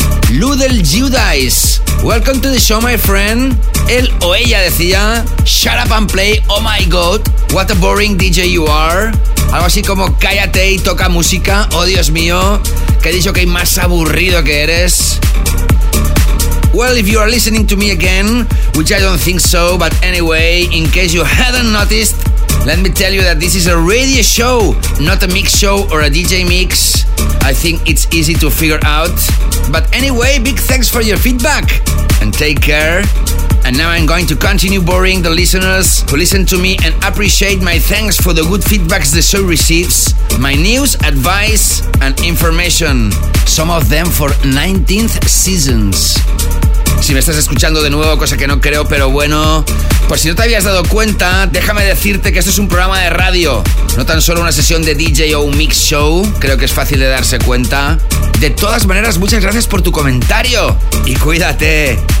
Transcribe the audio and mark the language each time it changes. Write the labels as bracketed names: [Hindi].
[English] Ludel Judice, welcome to the show, my friend. [Spanish] Él o ella decía, [English] shut up and play, oh my god, what a boring DJ you are. [Spanish] Algo así como, cállate y toca música, oh Dios mío, qué dicho que más aburrido que eres. [English] Well, if you are listening to me again, which I don't think so, but anyway, in case you haven't noticed, let me tell you that this is a radio show, not a mix show or a DJ mix. I think it's easy to figure out. But anyway, big thanks for your feedback and take care. And now I'm going to continue boring the listeners who listen to me and appreciate my thanks for the good feedbacks the show receives, my news, advice and information, some of them for 19th seasons. [Spanish] Si me estás escuchando de nuevo, cosa que no creo, pero bueno, pues si no te habías dado cuenta, déjame decirte que esto es un programa de radio, no tan solo una sesión de DJ o un mix show, creo que es fácil de darse cuenta. De todas maneras, muchas gracias por tu comentario y cuídate.